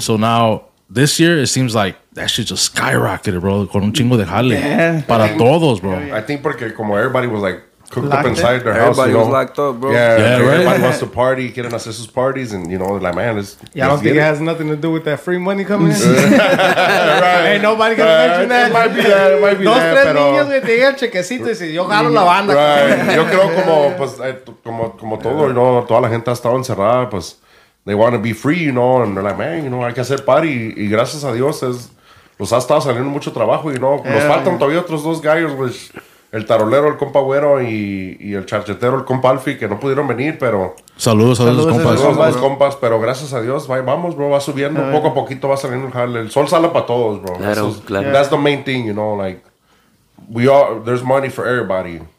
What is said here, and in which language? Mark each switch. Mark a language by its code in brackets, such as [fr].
[en] So now, this year, it seems like, that shit just skyrocketed, bro. [es] Con un chingo de jale. [en] Yeah. [es] Para todos, bro. [en] I think [es] porque como [en] everybody was like cooked locked up inside their house. Everybody was locked up, bro. Yeah, right. Everybody wants to party. [es] Quieren hacer sus parties. [en] And, you know, like, man, it's... Yeah, I don't think it has nothing to do with that free money coming in. Right. Ain't nobody gonna mention that. It might be that. [es] Dos, tres niños me tenían chequecitos y yo jalo la banda. Right. Yo creo como, pues, como todo, you know, toda la gente ha estado encerrada, pues, [en] they want to be free, you know, [es] and they're like, man, you know, hay que hacer party. Y gracias a Dios es... Pues ha estado saliendo mucho trabajo y no, nos faltan todavía otros dos gallos, which el tarolero, el compa Güero, y el charchetero, el compa Alfie, que no pudieron venir, pero... Saludos, saludos, saludos, compas. Saludos a los compas, pero gracias a Dios, vamos, bro, va subiendo, poco a poquito va saliendo el jale. El sol sale para todos, bro. Claro, [en] that's [es] claro. [en] That's the main thing, you know, like, we all, there's money for everybody.